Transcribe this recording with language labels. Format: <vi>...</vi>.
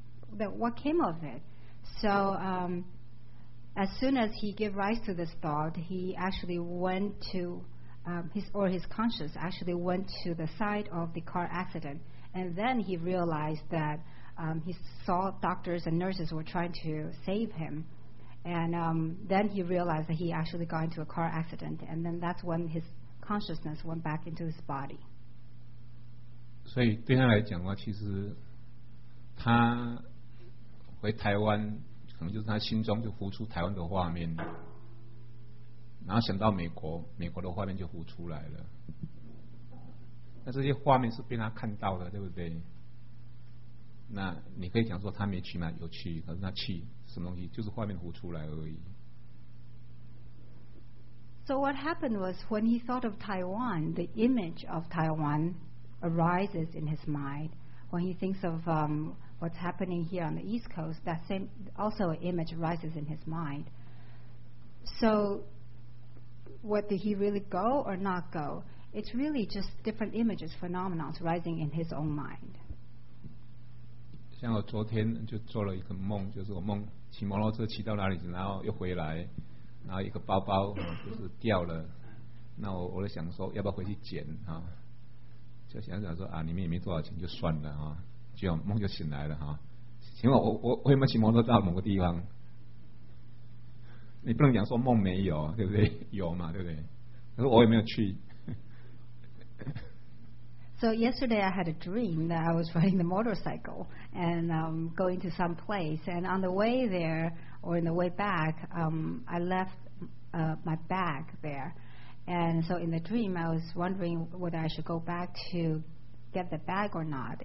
<en>What came of it? So as soon as he gave rise to this thought, he actually went to his conscience actually went to the site of the car accident. And then he realized that he saw doctors and nurses were trying to save him. And then he realized that he actually got into a car accident. And then that's when his consciousness went back into his body.</en> <zh>所以对他来讲的话，其实他回台湾，可能就是他心中就浮出台湾的画面，然后想到美国，美国的画面就浮出来了。那这些画面是被他看到的，对不对？那你可以讲说他没去嘛，有去，可是他去什么东西，就是画面浮出来而已。</zh> <en>So what happened was when he thought of Taiwan, the image of Taiwan. Arises in his mind when he thinks of what's happening here on the East Coast. That same also an image arises in his mind. So, what did he really go or not go? It's really just different images, phenomena rising in his own mind.</en> <zh>像我昨天就做了一个梦，就是我梦骑摩托车骑到哪里，然后又回来，然后一个包包就是掉了。那我就想说，要不要回去捡啊？就想想说啊，里面也没多少钱，就算了啊，就梦就醒来了哈。请问我有没有骑摩托到某个地方？你不能讲说梦没有，对不对？有嘛，对不对？他说我有没有去。</zh> <en>So yesterday I had a dream that I was riding the motorcycle and going to some place. And on the way there or in the way back, I left my bag there. And so in the dream, I was wondering whether I should go back to get the bag or not.</en>